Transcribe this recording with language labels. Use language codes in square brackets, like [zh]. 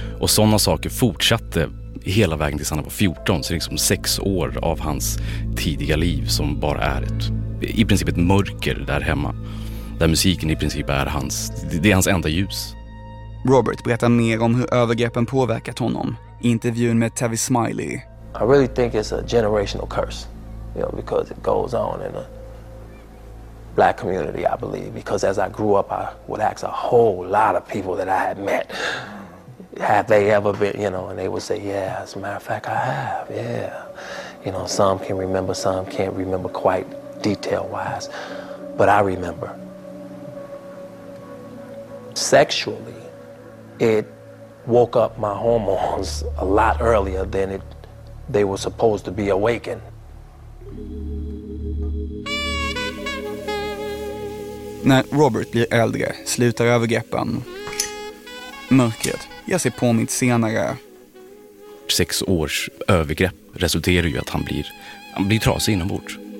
[sv] Och sådana saker fortsatte hela vägen tills han var 14. Så det är liksom 6 år av hans tidiga liv som bara är ett, i princip ett mörker där hemma. Där musiken i princip är hans, det är hans enda ljus. Robert berättar mer om hur övergreppen påverkat honom. Intervjun med Tavis Smiley. [en] I really think it's a generational curse, you know, because it goes on in a black community, I believe, because as I grew up, I would ask a whole lot of people that I had met, have they ever been, you know, and they would say, yeah, as a matter of fact, I have, yeah. You know, some can remember, some can't remember quite detail-wise, but I remember. Sexually, it woke up my hormones a lot earlier than it they were supposed to be awakened. [sv] När Robert blir äldre slutar övergreppen. Mörkret jag ser på mitt senare. 6 års övergrepp resulterar ju att han blir trasig inombords.